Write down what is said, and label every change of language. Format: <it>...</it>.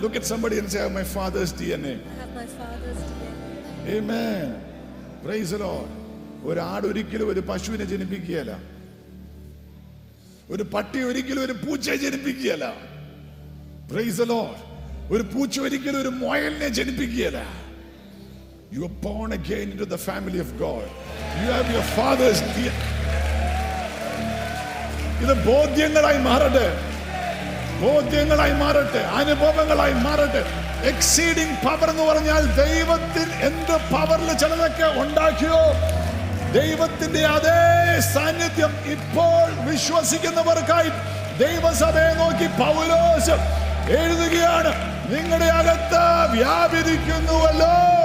<en>Look at somebody and say, I have my father's DNA. I have my father's DNA. Amen. Praise the Lord.</en> <ml>ഒരു ആട് ഒരിക്കലും ഒരു പശുവിനെ ജനിപ്പിക്കുകയല്ല, ഒരു പട്ടി ഒരിക്കലും ഒരു പൂച്ചയെ ജനിപ്പിക്കുകയല്ല.</ml> <en>Praise the Lord.</en> <ml>ഒരു പൂച്ച ഒരിക്കലും ഒരു മുയലിനെ ജനിപ്പിക്കുകയല്ല.</ml> <en>You are born again into the family of God. You have your father's DNA.</en> <ml>ഇത് ബോധ്യങ്ങളായി മാറട്ടെ, ബോധ്യങ്ങളായി മാറട്ടെ, അനുഭവങ്ങളായി മാറട്ടെ. എക്സീഡിംഗ് പവർ എന്ന് പറഞ്ഞാൽ ദൈവത്തിൽ എന്ത് പവറിൽ ചിലതൊക്കെ ഉണ്ടാക്കിയോ, ദൈവത്തിന്റെ അതേ സാന്നിധ്യം ഇപ്പോൾ വിശ്വസിക്കുന്നവർക്കായി ദൈവസഭയെ നോക്കി പൗലോസ് എഴുതുകയാണ്, നിങ്ങളുടെ അകത്ത് വ്യാപരിക്കുന്നുവല്ലോ.</ml>